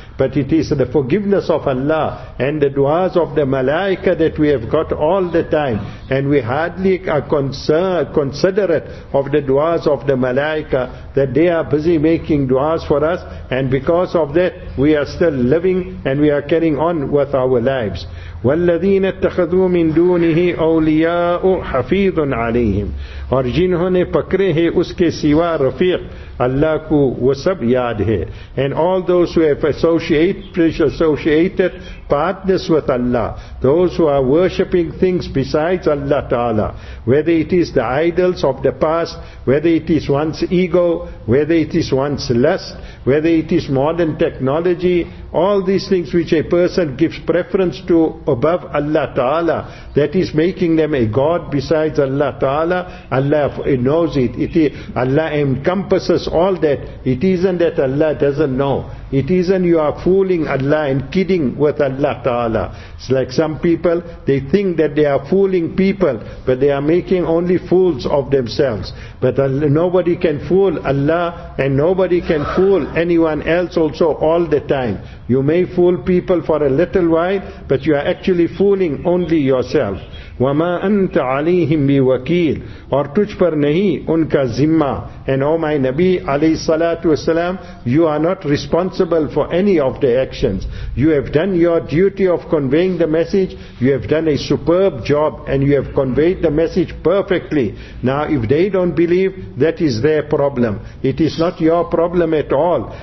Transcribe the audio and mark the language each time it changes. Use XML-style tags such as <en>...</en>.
<en>But it is the forgiveness of Allah and the du'as of the malaika that we have got all the time. And we hardly are considerate of the du'as of the malaika, that they are busy making du'as for us. And because of that, we are still living and we are carrying on with our lives.</en> <ar>وَالَّذِينَ اتَّخَذُوا مِن دُونِهِ أَوْلِيَاءُ حَفِيظٌ عَلَيْهِمْ</ar> <ur>اور جنہوں نے پکرے ہیں اس کے سوا رفیق اللہ کو وہ سب یاد ہے.</ur> <en>And all those who have associated partners with Allah, those who are worshipping things besides Allah Ta'ala, whether it is the idols of the past, whether it is one's ego, whether it is one's lust, whether it is modern technology, all these things which a person gives preference to above Allah Ta'ala, that is making them a god besides Allah Ta'ala. Allah knows it. Allah encompasses all that. It isn't that Allah doesn't know. It isn't you are fooling Allah and kidding with Allah Ta'ala. It's like some people, they think that they are fooling people, but they are making only fools of themselves. But nobody can fool Allah, and nobody can fool anyone else also all the time. You may fool people for a little while, but you are actually fooling only yourself.</en> <ar>وَمَا أَنْتَ عَلَيْهِمْ بِوَكِيلٍ</ar> <ur>اور تجھ پر نہیں ان کا ذمہ.</ur> <en>And O my Nabi alayhi salatu wasalam, you are not responsible for any of the actions. You have done your duty of conveying the message. You have done a superb job and you have conveyed the message perfectly. Now if they don't believe, that is their problem. It is not your problem at all.</en>